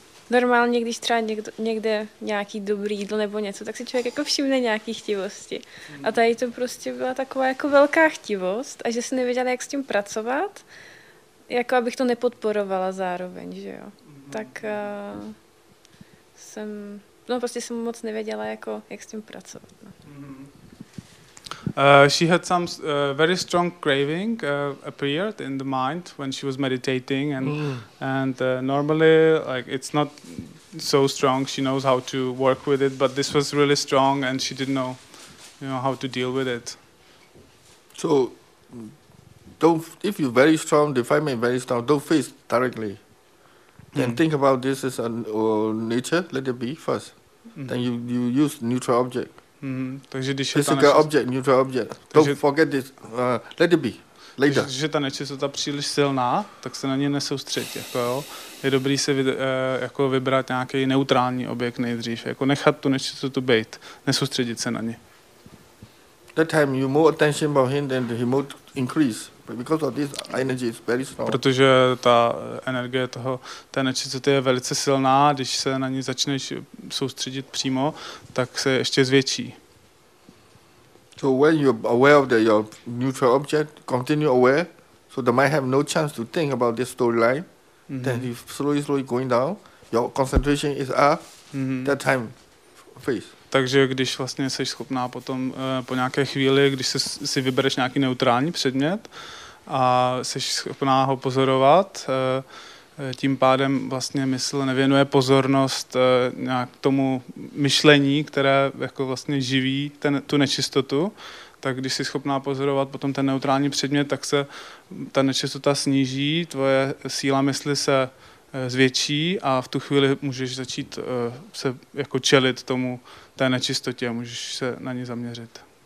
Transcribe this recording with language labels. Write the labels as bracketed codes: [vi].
[cs] normálně, když třeba někde nějaký dobrý jídlo nebo něco, tak si člověk jako všimne nějaký chtivosti. A tady to prostě byla taková jako velká chtivost a že jsem nevěděla, jak s tím pracovat, jako abych to nepodporovala zároveň, že jo. Tak jsem, no prostě jsem moc nevěděla, jako, jak s tím pracovat. No. [en] She had some very strong craving appeared in the mind when she was meditating, and normally like it's not so strong. She knows how to work with it, but this was really strong, and she didn't know, you know, how to deal with it. So, don't if you're very strong, define me very strong. Don't face directly. Then think about this as a nature. Let it be first. Then you use neutral object. [cs] Takže když je ta [en] object, neutral object. Takže, don't forget this. Let it be. Later. [cs] Takže ta nečistota příliš silná, tak se na ně nesoustředit. Jako jo. Je dobrý se jako vybrat nějaký neutrální objekt nejdřív. Jako nechat tu nečistotu být. Nesoustředit se na ně. [en] That time you more attention about him, then he more increase. Because of this energy is very strong. [cs] Protože ta energie toho, ta nečistota je velice silná, když se na ní začneš soustředit přímo, tak se ještě zvětší. [en] So when you're aware of the, your neutral object, continue aware, so the mind have no chance to think about this storyline, then you slowly, slowly going down, your concentration is up, that time face. [cs] Takže když vlastně jsi schopná potom po nějaké chvíli, když si vybereš nějaký neutrální předmět a jsi schopná ho pozorovat, tím pádem vlastně mysl nevěnuje pozornost nějak tomu myšlení, které jako vlastně živí tu nečistotu, tak když jsi schopná pozorovat potom ten neutrální předmět, tak se ta nečistota sníží, tvoje síla mysli se zvětší a v tu chvíli můžeš začít se jako čelit tomu té nečistotě, můžeš se na ní zaměřit.